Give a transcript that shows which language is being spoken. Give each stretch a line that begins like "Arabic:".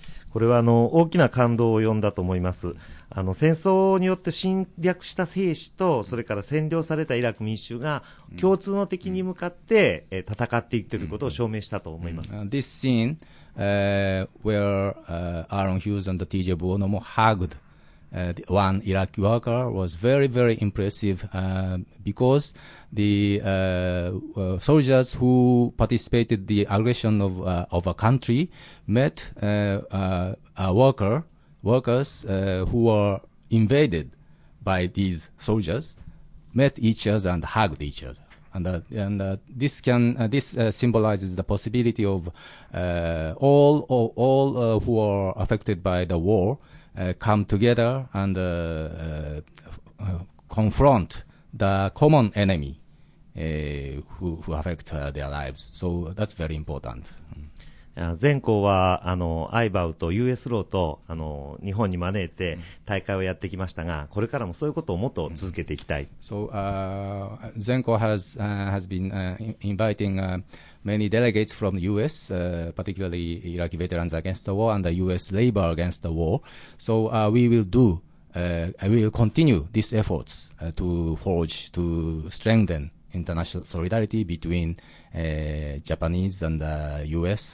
Japanese: これは大きな感動を呼んだと思います。戦争によって侵略した兵士と、それから占領されたイラク民衆が共通の敵に向かって、戦っていっていることを証明したと思います。
English: This scene, where Aaron Hughes and T.J. Buonomo hugged one Iraqi worker was very, very impressive because the soldiers who participated in the aggression of a country met a workers who were invaded by these soldiers, met each other and hugged each other. And this symbolizes the possibility of all who are affected by the war come together and confront the common enemy who affect their lives. So that's very important.
Japanese: 前校はアイバウと US ローと日本に招いて大会をやってきましたが、これからもそういうことをもっと続けていきたい。
English: So, 前校 has been inviting many delegates from the U.S., particularly Iraqi Veterans Against the War and the U.S. Labor Against the War. So we will continue these efforts to strengthen international solidarity between Japanese and the U.S.